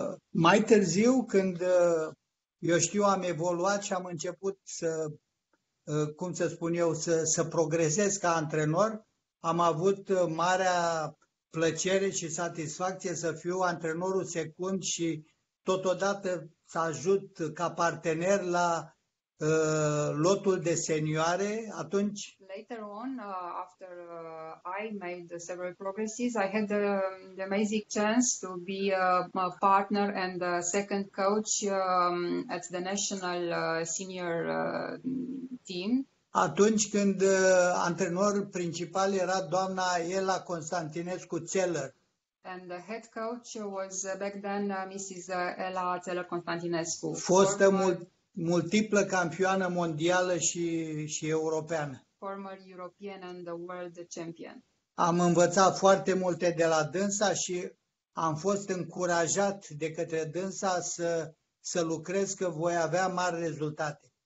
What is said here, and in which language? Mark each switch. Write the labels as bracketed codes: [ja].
[ro] Mai târziu, când eu știu, am evoluat și am început să, cum să spun eu, să progresez ca antrenor, am avut marea plăcere și satisfacție să fiu antrenorul secund și totodată să ajut ca partener la lotul de senioare atunci. [en] Later on, after I made several progresses, I had the amazing chance to be a partner and a second coach at the national senior team. [ro] Atunci când antrenorul principal era doamna Ela Constantinescu-Țeller. [en] And the head coach was back then Mrs. Ela Țeller Constantinescu. [ro] Fostă multiplă campioană mondială și europeană. [en] Former European and the world champion. [ro] Am învățat foarte multe de la dânsa și am fost încurajat de către dânsa să lucrez că voi avea mari rezultate.